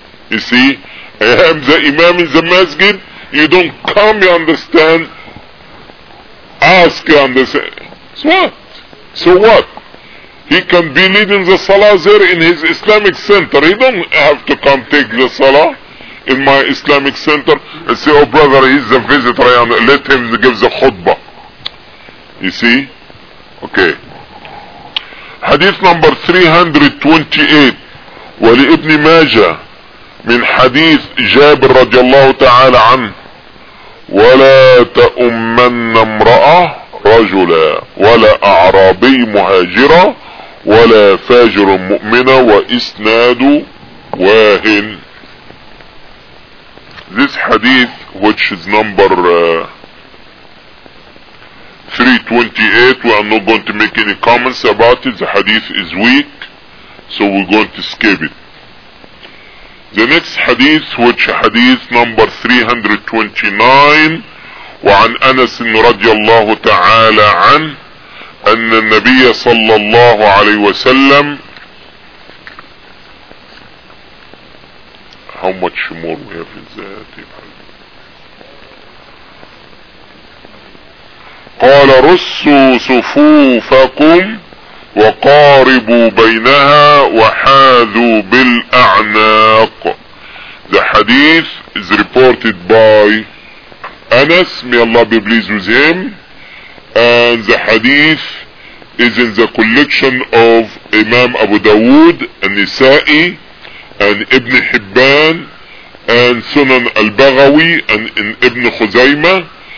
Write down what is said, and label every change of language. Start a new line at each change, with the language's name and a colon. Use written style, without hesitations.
English: You see, I am the Imam in the Masjid, you don't come, you understand, ask, you understand. So what? He can be leading the Salah there in his Islamic Center, he don't have to come take the Salah in my Islamic Center and say, oh brother, he's a visitor, let him give the khutbah. You see? Okay. Hadith number 328
Arabic: ولابن ماجة من حديث جابر رضي الله تعالى عنه ولا تأمن امرأة رجلا ولا أعرابي مهاجرة ولا فاجر مؤمنة وإسناد واهن.
English: This hadith, which is number 328, we are not going to make any comments about it. The hadith is weak, so we're going to skip it. The next hadith, which hadith number 329,
Arabic: وعن أنس رضي الله تعالى عن أن النبي صلى الله عليه وسلم.
English: How much more we have in that?
Arabic: قال رسوا صفوفكم وقاربوا بينها وحاذوا بالأعناق.
English: The hadith is reported by Anas, may Allah be pleased with him, and the hadith is in the collection of Imam Abu Dawood, An-Nisa'i, and Ibn Hibban, and Sunan al-Baghawi, and in Ibn Khuzayma.